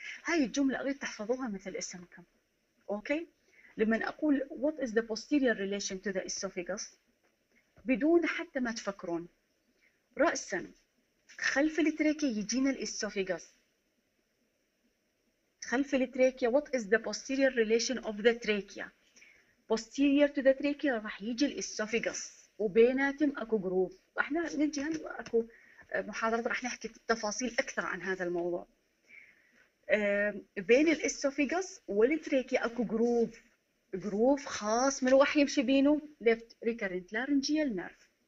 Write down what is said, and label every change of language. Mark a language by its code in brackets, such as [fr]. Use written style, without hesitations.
[ar] هاي الجمله اريد تحفظوها مثل اسمكم، اوكي؟ لما اقول [en] what is the posterior relation to the oesophagus, [ar] بدون حتى ما تفكرون، راسا خلف التريكيا يجينا الاسوفيجاس، خلف التراكيا. [en] What is the posterior relation of the trachea? Posterior to the trachea [ar] راح يجي الاسوفيجس، وبيناتهم اكو جروف. احنا نجي اكو محاضرات راح نحكي تفاصيل اكثر عن هذا الموضوع. بين الاسوفيجس والتراكيا اكو جروف، جروف خاص من راح يمشي بينه left recurrent laryngeal nerve.